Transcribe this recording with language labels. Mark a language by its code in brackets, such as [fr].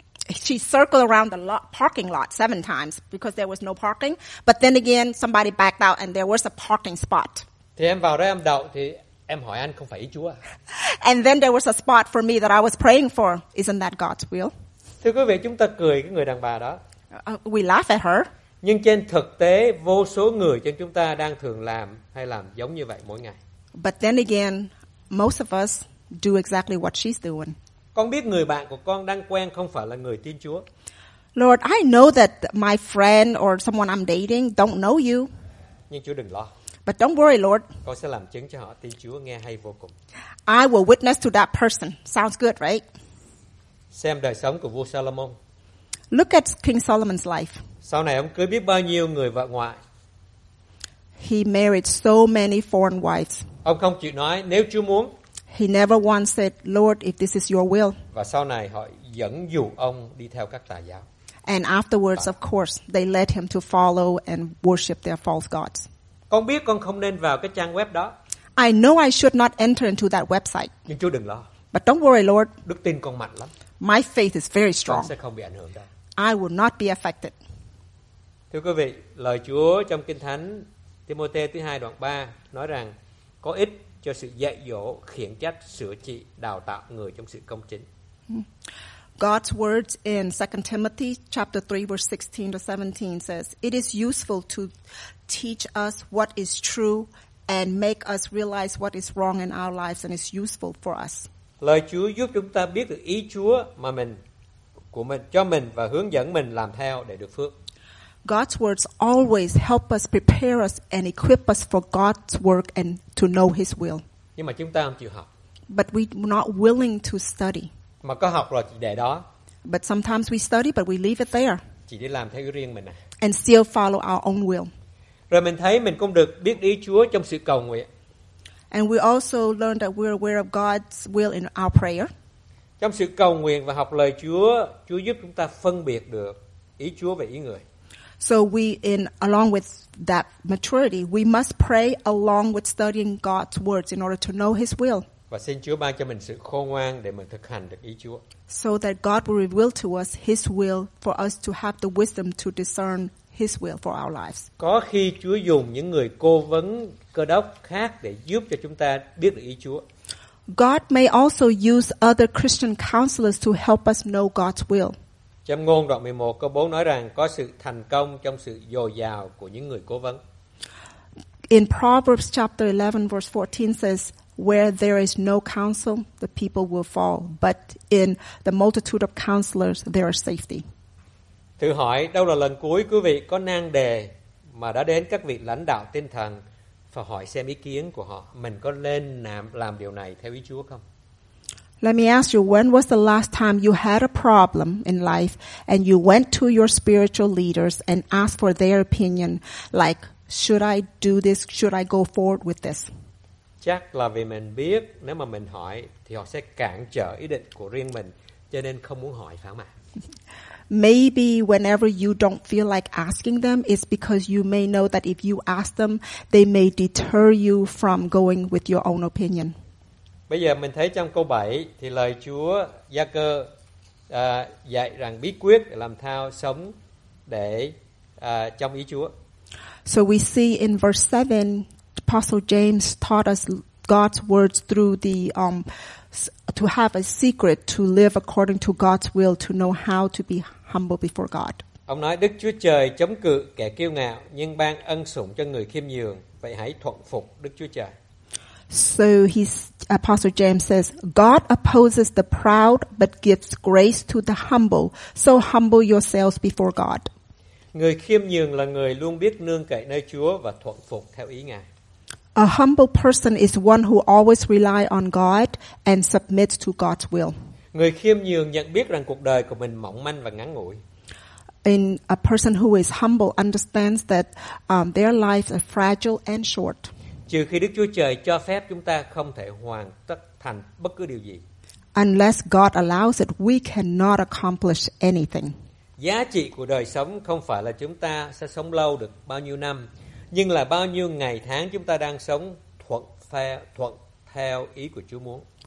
[en] She circled around the parking lot 7 times because there was no parking. But then again, somebody backed out and there was a parking spot. [vi] Thì em vào đó em đậu thì em hỏi anh không phải ý Chúa. [en] And then there was a spot for me that I was praying for. Isn't that God's will? [vi] Thưa quý vị, chúng ta cười cái người đàn bà đó. [en] We laugh at her. [vi] Nhưng trên thực tế, vô số người trong chúng ta đang thường làm hay làm giống như vậy mỗi ngày. [en] But then again, most of us do exactly what she's doing. [vi] Con biết người bạn của con đang quen không phải là người tin Chúa. [en] Lord, I know that my friend or someone I'm dating don't know you. [vi] Nhưng Chúa đừng lo. [en] But don't worry, Lord. [vi] Con sẽ làm chứng cho họ tin Chúa nghe hay vô cùng. [en] I will witness to that person. Sounds good, right? [vi] Xem đời sống của vua Solomon. [en] Look at King Solomon's life. [vi] Sau này ông cưới biết bao nhiêu người vợ ngoại. [en] He married so many foreign wives. [vi] Ông không chịu nói nếu Chúa muốn. [en] He never once said, "Lord, if this is your will." [vi] Và sau này họ dẫn dụ ông đi theo các tà giáo. [en] And afterwards, of course, they led him to follow and worship their false gods. [vi] Con biết con không nên vào cái trang web đó. [en] I know I should not enter into that website. [vi] Nhưng Chúa đừng lo. [en] But don't worry, Lord. [vi] Đức tin con mạnh lắm. [en] My faith is very strong. [vi] Con sẽ không bị ảnh hưởng đâu. [en] I will not be affected. [vi] Thưa quý vị, lời Chúa trong Kinh Thánh Timôthê thứ 2 đoạn 3 nói rằng có ích cho sự dạy dỗ, khiển trách, sửa trị, đào tạo người trong sự công chính. [en] God's words in 2 Timothy chapter 3 verse 16 to 17 says, "It is useful to teach us what is true and make us realize what is wrong in our lives and is useful for us." [vi] Lời Chúa giúp chúng ta biết được ý Chúa mà mình của mình cho mình và hướng dẫn mình làm theo để được phước. [en] God's words always help us prepare us and equip us for God's work and to know His will. [vi] Nhưng mà chúng ta không chịu học. [en] But we're not willing to study. [vi] Mà có học rồi chỉ để đó. [en] But sometimes we study but we leave it there. [vi] Chỉ để làm theo ý riêng mình à. [en] And still follow our own will. [vi] Rồi mình thấy mình cũng được biết ý Chúa trong sự cầu nguyện. [en] And we also learned that we're aware of God's will in our prayer. [vi] Trong sự cầu nguyện và học lời Chúa, Chúa giúp chúng ta phân biệt được ý Chúa và ý người. [en] So we in along with that maturity, we must pray along with studying God's words in order to know His will. [vi] Và xin Chúa ban cho mình sự khôn ngoan để mình thực hành được ý Chúa. [en] So that God will reveal to us His will for us to have the wisdom to discern His will for our lives. [vi] Có khi Chúa dùng những người cố vấn Cơ đốc khác để giúp cho chúng ta biết được ý Chúa. [en] God may also use other Christian counselors to help us know God's will. [vi] Châm ngôn đoạn 11 câu 4 nói rằng có sự thành công trong sự dồi dào của những người cố vấn. [en] In Proverbs chapter 11 verse 14 says, "Where there is no counsel, the people will fall, but in the multitude of counselors there is safety." [vi] Thử hỏi, đâu là lần cuối quý vị có nan đề mà đã đến các vị lãnh đạo tinh thần và hỏi xem ý kiến của họ, mình có nên làm điều này theo ý Chúa không? [en] Let me ask you, when was the last time you had a problem in life and you went to your spiritual leaders and asked for their opinion, like, should I do this? Should I go forward with this? [vi] Chắc là vì mình biết nếu mà mình hỏi thì họ sẽ cản trở ý định của riêng mình, cho nên không muốn hỏi, phải không ạ? [en] Maybe whenever you don't feel like asking them, it's because you may know that if you ask them, they may deter you from going with your own opinion. [vi] Bây giờ mình thấy trong câu 7 thì lời Chúa Gia-cơ dạy rằng bí quyết để làm sao sống để trong ý Chúa. [en] So we see in verse 7, Apostle James taught us God's words through the to have a secret to live according to God's will, to know how to be humble before God. [vi] Ông nói Đức Chúa Trời chống cự kẻ kiêu ngạo nhưng ban ân sủng cho người khiêm nhường, vậy hãy thuận phục Đức Chúa Trời. [en] So Apostle James says, God opposes the proud but gives grace to the humble. So humble yourselves before God. [vi] Người khiêm nhường là người luôn biết nương cậy nơi Chúa và thuận phục theo ý Ngài. [en] A humble person is one who always rely on God and submits to God's will. [vi] Người khiêm nhường nhận biết rằng cuộc đời của mình mỏng manh và ngắn ngủi. [en] And a person who is humble understands that their lives are fragile and short. [vi] Trừ khi Đức Chúa Trời cho phép, chúng ta không thể hoàn tất thành bất cứ điều gì. [en] Unless God allows it, we cannot accomplish anything. [vi] Giá trị của đời sống không phải là chúng ta sẽ sống lâu được bao nhiêu năm, nhưng là bao nhiêu ngày tháng chúng ta đang sống thuận theo ý của Chúa muốn.